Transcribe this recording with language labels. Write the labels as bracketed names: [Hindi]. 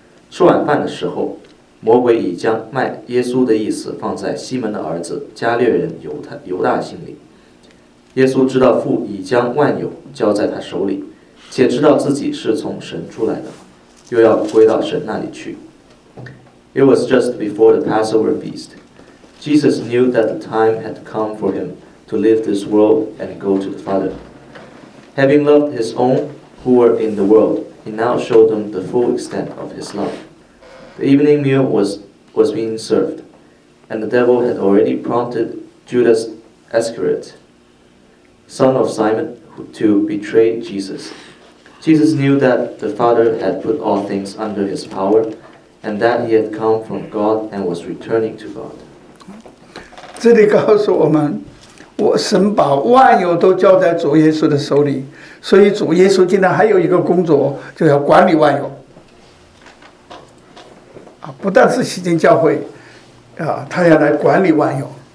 [Chinese] 吃晚饭的时候，魔鬼已将卖耶稣的意思放在西门的儿子加略人犹大心里。耶稣知道父已将万有交在他手里，且知道自己是从神出来的，又要归到神那里去。 [English] It was just before the Passover feast. Jesus knew that the time had come for him to leave this world and go to the Father. Having loved his own who were in the world, he now showed them the full extent of his love. The evening meal was being served, and the devil had already prompted Judas Iscariot, son of Simon, to betray Jesus. Jesus knew that the Father had put all things under his power, and that he had come from God and was returning to God. [Chinese] 这里告诉我们，神把万有都交在主耶稣的手里，所以主耶稣今天还有一个工作，就要管理万有。不但是洗净教会，他要来管理万有。